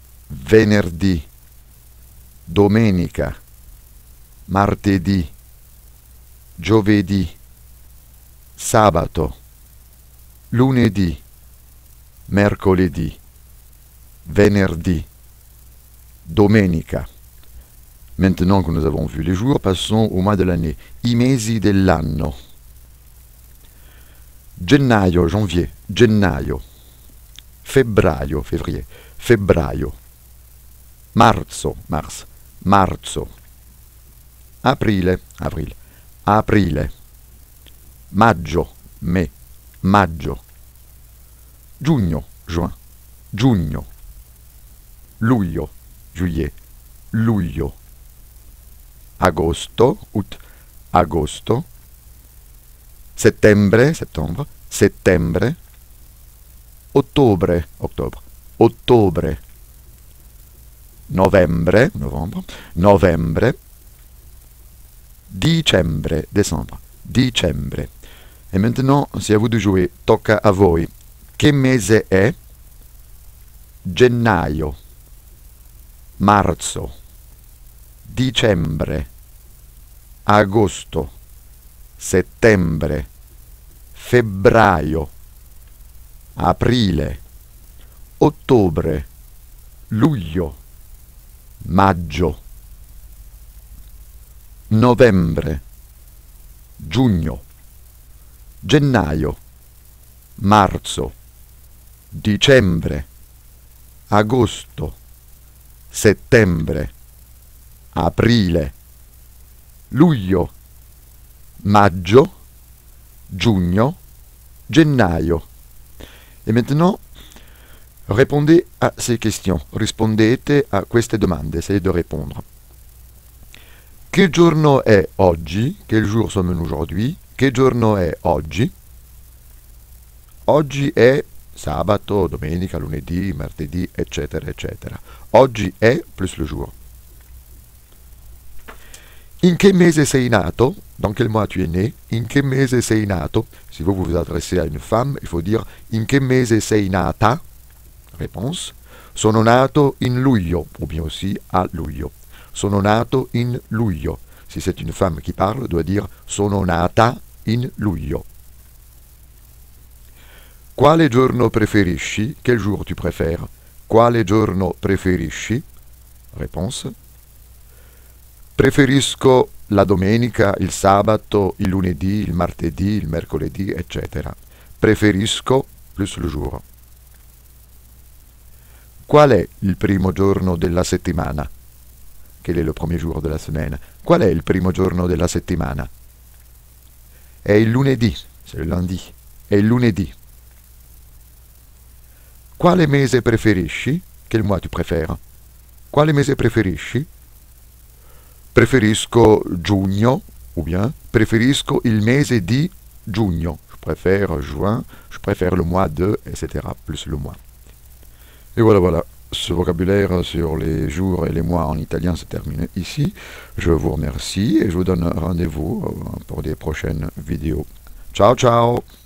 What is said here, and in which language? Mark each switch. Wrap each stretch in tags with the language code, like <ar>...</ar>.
<it>Venerdì, domenica, martedì, giovedì, sabato, lunedì, mercoledì, venerdì, domenica.</it> <fr>Maintenant que nous avons vu les jours, passons au mois de l'année,</fr> <it>i mesi dell'anno. Gennaio, janvier, gennaio. Febbraio, février, febbraio. Marzo, mars, marzo. Aprile, avril, aprile. Maggio, me, maggio. Giugno, juin, giugno. Luglio, juillet, luglio. Agosto, août, agosto. Settembre, settembre, settembre. Ottobre, ottobre, ottobre. Novembre, novembre, novembre, dicembre, décembre, dicembre.</it> <fr>E maintenant, c'est à vous de jouer,</fr> <it>tocca a voi. Che mese è? Gennaio, marzo, dicembre, agosto, settembre, febbraio, aprile, ottobre, luglio. Maggio, novembre, giugno, gennaio, marzo, dicembre, agosto, settembre, aprile, luglio, maggio, giugno, gennaio.</it> <fr>E maintenant répondez à ces questions.</fr> <it>Rispondete a queste domande.</it> <fr>Essayez de répondre.</fr> <it>Che giorno è oggi?</it> <fr>Quel jour sommes-nous aujourd'hui?</fr> <it>Che giorno è oggi? Oggi è sabato, domenica, lunedì, martedì, eccetera, eccetera. Oggi è</it> <fr>plus le jour.</fr> <it>In che mese sei nato?</it> <fr>Dans quel mois tu es né?</fr> <it>In che mese sei nato?</it> <fr>Si vous vous adressez à une femme, il faut dire</fr> <it>in che mese sei nata?</it> <fr>Réponse.</fr> <it>Sono nato in luglio,</it> <fr>ou bien aussi</fr> <it>a luglio. Sono nato in luglio.</it> <fr>Si c'est une femme qui parle, doit dire</fr> <it>sono nata in luglio. Quale giorno preferisci?</it> <fr>Quel jour tu préfères?</fr> <it>Quale giorno preferisci? Réponse. Preferisco la domenica, il sabato, il lunedì, il martedì, il mercoledì, eccetera.</it> <fr>Preferisco plus le jour.</fr> <it>Qual è il primo giorno della settimana? Quel è il primo giorno della settimana? Qual è il primo giorno della settimana? È il lunedì,</it> <fr>c'est le lundi.</fr> <it>È il lunedì. Quale mese preferisci?</it> <fr>Quel mois tu préfères?</fr> <it>Quale mese preferisci? Preferisco giugno,</it> <fr>ou bien</fr> <it>preferisco il mese di giugno.</it> <fr>Je préfère juin, je préfère le mois de, etc. plus le mois. Et voilà, voilà, ce vocabulaire sur les jours et les mois en italien se termine ici. Je vous remercie et je vous donne rendez-vous pour des prochaines vidéos.</fr> <it>Ciao, ciao!</it>